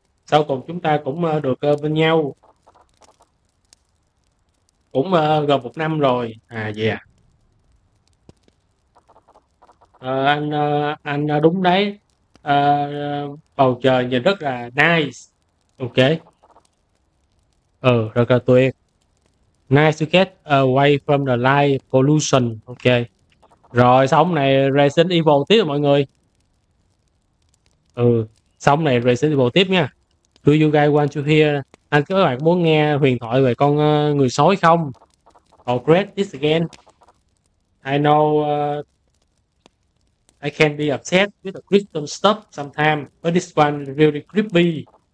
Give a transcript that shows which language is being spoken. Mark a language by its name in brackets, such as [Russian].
[Vietnamese] Sau cùng chúng ta cũng được bên nhau. Cũng gần một năm rồi à. Vậy à, anh đúng đấy. Bầu trời nhìn rất là nice. Ok. Ừ, rất là tuyệt. [English] Nice to get away from the light pollution. Ok. [Vietnamese] Rồi sống này Resident Evil tiếp rồi mọi người. Ừ, sống này Resident Evil tiếp nha. [English] Do you guys want to hear? [Vietnamese] Anh các bạn muốn nghe huyền thoại về con người sói không? [English] Oh, great, this again. I know I can be upset with the crystal stuff sometimes, but this one really creepy.